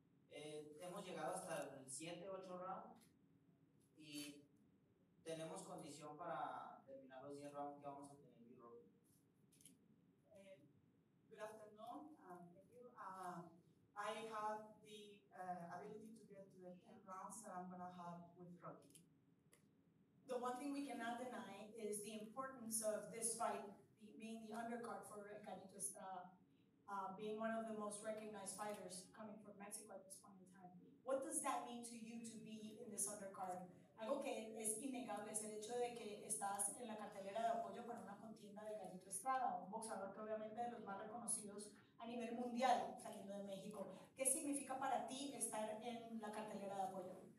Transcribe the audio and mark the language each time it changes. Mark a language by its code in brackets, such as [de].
[es] Hemos llegado hasta el 7-8 round y tenemos condición para terminar los 10 rounds que vamos a tener. [en] Good afternoon. I have the ability to get to the 10 rounds that I'm going to have with Rocky. The one thing we cannot deny is the importance of this fight being the undercard for Carito Estrada, being one of the most recognized fighters coming from Mexico at this point in time. What does that mean to you to be in this undercard? [es] Algo que es innegable es el hecho de que estás en la cartelera de apoyo para una contienda de Carito Estrada, un boxeador que obviamente de los más reconocidos a nivel mundial, saliendo de México. ¿Qué significa para ti estar en la cartelera de apoyo?